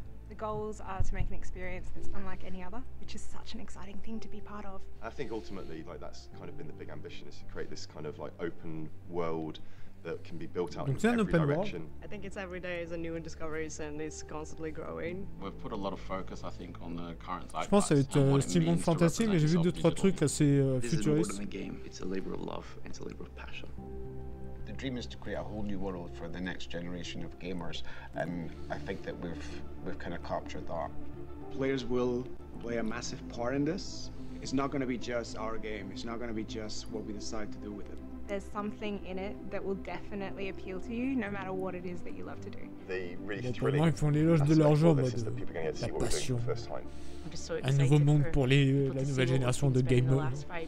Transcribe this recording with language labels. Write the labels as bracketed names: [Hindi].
[English] The goals are to make an experience that's unlike any other, which is such an exciting thing to be part of. I think ultimately, like, that's kind of been the big ambition, is to create this kind of like open world that can be built out in every direction. I think it's every day is a new discovery, and it's constantly growing. We've put a lot of focus, I think, on the current [French] zeitgeist. Je pense que c'est Steampunk Fantasy, mais j'ai vu deux trois trucs assez futuristes. [English] It's a game. It's a labor of love and it's a labor of passion. The dream is to create a whole new world for the next generation of gamers, and I think that we've kind of captured that. Players will play a massive part in this. It's not going to be just our game. It's not going to be just what we decide to do with it. There's something in it that will definitely appeal to you, no matter what it is that you love to do. [French] Pour moi, ils font l'éloge de leur jeu, mode la passion. Un nouveau monde pour la nouvelle génération de gamers.